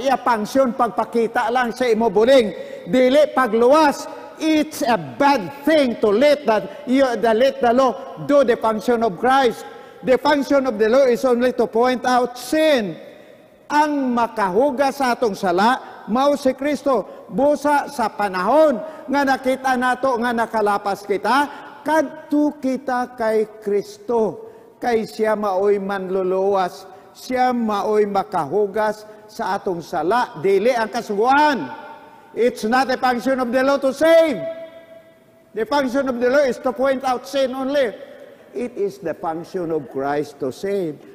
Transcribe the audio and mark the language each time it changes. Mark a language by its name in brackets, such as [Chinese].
[Cebuano] Iya pangsyon, pagpakita lang sa imo buling. Dili pagluwas. [English] It's a bad thing to let that let the law do the function of Christ. The function of the law is only to point out sin. [Cebuano] Ang makahugas sa atong sala mao si Kristo. Busa sa panahon nga nakita nato nga nakalapas kita kadto kita kay Kristo kay siya maoy manluluwas, siya maoy makahugas sa atong sala, dili ang kasuguan. [English] It's not the function of the law to save. The function of the law is to point out sin only. It is the function of Christ to save.